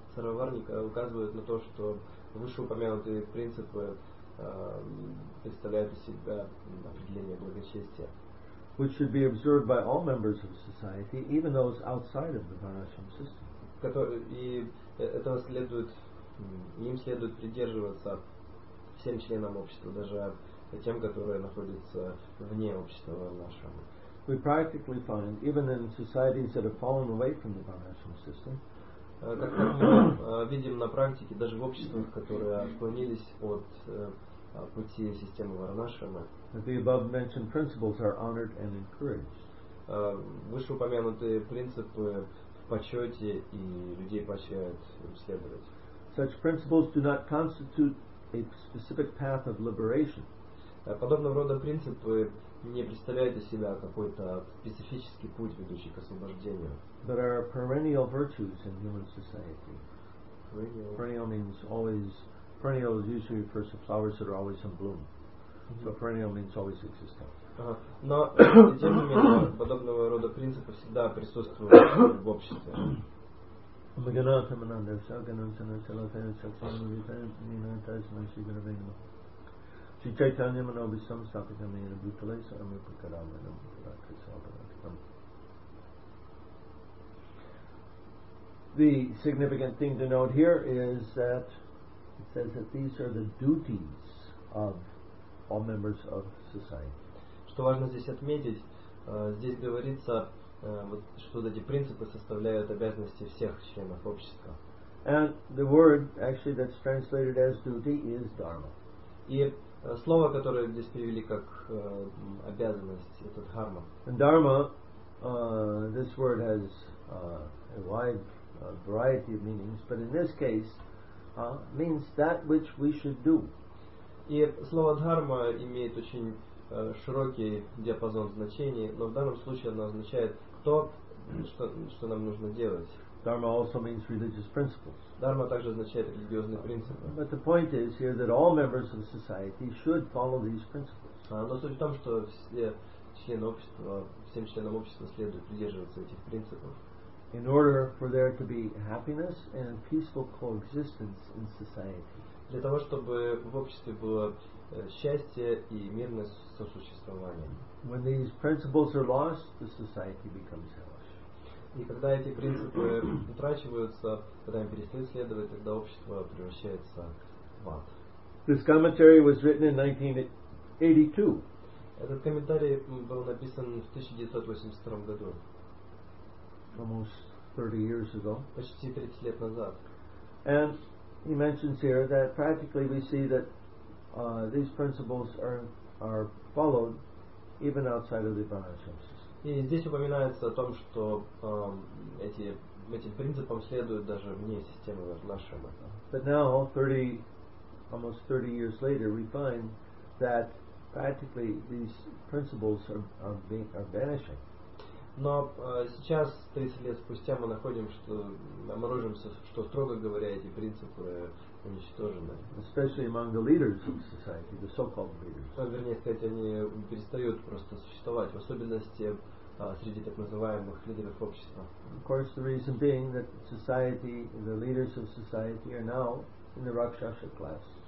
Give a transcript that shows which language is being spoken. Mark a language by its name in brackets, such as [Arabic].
[Russian] Сарваварника указывает на то, что вышеупомянутые принципы представляют из себя определение благочестия. [English] Which should be observed by all members of society, even those outside of the Varnashrama system. [Russian] И этого следует, им следует придерживаться всем членам общества, даже тем, которые находятся вне общества Варнашрама. [English] We practically find, even in societies that have fallen away from the Varnashrama system, [Russian] как мы видим на практике, даже в обществах, которые отклонились от пути системы Варнашрама, [English] the above mentioned principles are honored and encouraged. [Russian] Вышеупомянутые принципы в почете и людей поощряют следовать. [English] Such principles do not constitute a specific path of liberation. [Russian] Подобного рода принципы не представляют из себя какой-то специфический путь, ведущий к освобождению. [English] But are perennial virtues in human society. Perennial means always. Perennial usually refers to flowers that are always in bloom. So perennial means always existing. [Russian] Но тем не менее подобного рода принципы всегда присутствуют в обществе. [Sanskrit] Magnanta mananda shaganamsa nasalatena sakshamavita ninaitasma shigravena. Sri Chaitanya manobisam sapitamena bhutale saramipakaramana bhutakasabhanakitam. [English] The significant thing to note here is that it says that these are the duties of all members of society. [Russian] Что важно здесь отметить, здесь говорится, вот, что эти принципы составляют обязанности всех членов общества. [English] And the word actually that's translated as duty is dharma. [Russian] И слово, которое здесь перевели как обязанность, это дхарма. [English] And dharma, this word has a wide variety of meanings, but in this case means that which we should do. [Russian] И слово дхарма имеет очень широкий диапазон значений, но в данном случае оно означает то, что нам нужно делать. [English] Dharma also means religious principles. [Russian] Дхарма также означает религиозные принципы. [English] But the point is here that all members of society should follow these principles. [Russian] Но суть в том, что все члены общества, всем членам общества следует придерживаться этих принципов. [English] In order for there to be happiness and peaceful coexistence in society. [Russian] Для того, чтобы в обществе было счастье и мирное сосуществование. [English] When these principles are lost, the society becomes hellish. [Russian] И когда эти принципы утрачиваются, когда им перестают следовать, тогда общество превращается в ад. [English] This commentary was written in 1982. [Russian] Этот комментарий был написан в 1982 году. [English] almost 30 years ago. [Russian] Почти 30 лет назад. [English] And he mentions here that practically we see that these principles are followed even outside of the Upanishads. [Russian] И здесь упоминается о том, что этим принципам следуют даже вне системы нашего. [English] But now, almost 30 years later, we find that practically these principles are vanishing. [Russian] Но сейчас, 30 лет спустя, мы находим, что обнаружимся, что, строго говоря, эти принципы уничтожены. [English] Especially among the leaders of society, the so-called leaders. [Russian] Вернее сказать, они перестают просто существовать, в особенности среди так называемых лидеров общества. [English] Of course, the reason being that society, the leaders of society are now in the Rakshasa class.